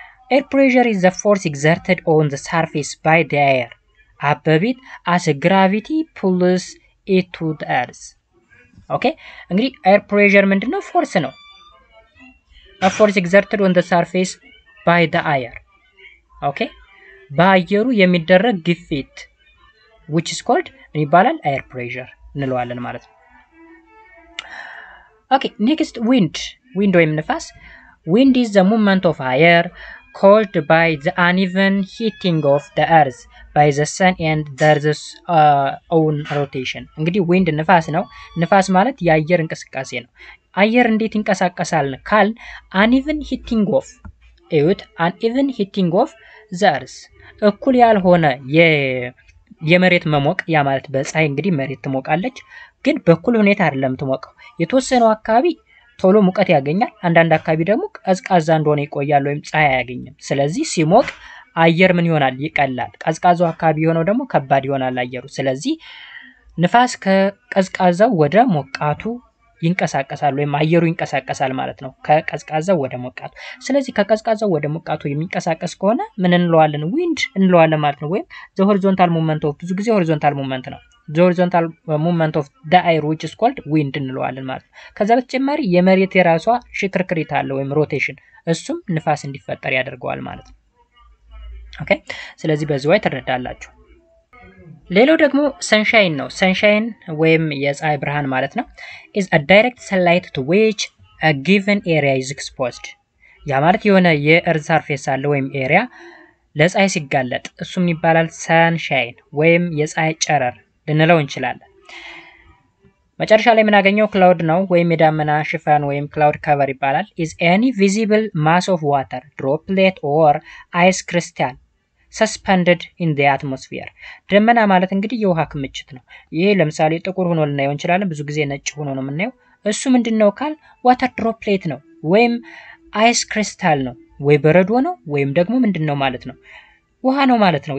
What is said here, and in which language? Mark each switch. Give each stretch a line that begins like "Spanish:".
English: Air pressure is the force exerted on the surface by the air above it as gravity pulls it to the earth. Okay? እንግዲህ air pressure ምንድነው? Force ነው. A force exerted on the surface by the air. Okay?
Amharic: በአየሩ የሚደረግ ግፊት
English: which is called
Amharic: ይባላል air pressure እንለዋለን ማለት ነው.
English: Okay, next wind. Wind
Amharic: ወይም ንፋስ.
English: Wind is the movement of air caused by the uneven heating of the earth by the sun and the earth's own rotation.
Amharic: እንግዲህ wind ንፋስ ነው. ንፋስ ማለት የአየር እንቅስቃሴ ነው. አየር እንዴት እንቅስቃሴ ካል
English: uneven heating of it uneven heating of the earth.
Amharic: እኩል ያልሆነ የመሬት መሞቅ ያ ማለት በፀሐይ እንግዲህ መሬት ትሞቃለች ግን በኩል ሁኔታ አይደለም ትሞቀው. የተወሰነው አካባቢ ቶሎ ሙቀት ያገኛል አንዳንድ አካባቢ ደግሞ ቀዝቃዛ እንደሆነ ይቆያል ወይም ፀሐይ ያገኛል. ስለዚህ ሲሞቅ አየር ምን ይሆናል? ይቀላል. ቀዝቃዛው አካባቢ ሆኖ ደግሞ ከባድ ይሆናል አየሩ. ስለዚህ ንፋስ ከቀዝቃዛው ወደ ሞቃቱ ይንቀሳቀሳል ወይም አየሩ ይንቀሳቀሳል ማለት ነው. ከቀዝቃዛው ወደ ሞቃቱ. ስለዚህ ከቀዝቃዛው ወደ ሞቃቱ የሚንቀሳቀስ ከሆነ ምን እንለዋለን? wind እንለዋለን ማለት ነው.
English: ወይም the horizontal movement of
Amharic: ብዙ ጊዜ
English: horizontal movement ነው. The horizontal movement of the air which is called wind
Amharic: እንለዋለን ማለት ነው. ከዛ በተጨማሪ የመሬት የራሷ ሽክርክሪት አለ ወይም rotation እሱም ንፋስ እንዲፈጠር ያደርገዋል ማለት ነው. ኦኬ ስለዚህ በዚህ ላይ ተረዳላችሁ. ሌላው ደግሞ sunshine ነው. sunshine ወይም የፀሐይ ብርሃን ማለት ነው.
English: is a direct sunlight to which a given area is exposed.
Amharic: ያ ማለት የሆነ የearth surface አለ ወይም area ለፀሐይ ሲጋለጥ እሱም ይባላል sunshine ወይም የፀሐይ ጨረር እንለው እንችላለን. መጨረሻ ላይ የምናገኘው cloud ነው ወይም የዳመና ሽፋን ወይም cloud cover ይባላል.
English: is any visible mass of water droplet or ice crystal suspended in the atmosphere.
Amharic: ደመና ማለት እንግዲህ የውሃ ክምችት ነው. ይሄ ለምሳሌ ጥቁር ሆኖ ልናየው እንችላለን ብዙ ጊዜ ነጭ ሆኖ ነው የምናየው. እሱ ምንድነው ካል water droplet ነው ወይም ice crystal ነው ወይ በረዶ ነው ወይም ደግሞ ምንድነው ማለት ነው ውሃ ነው ማለት ነው.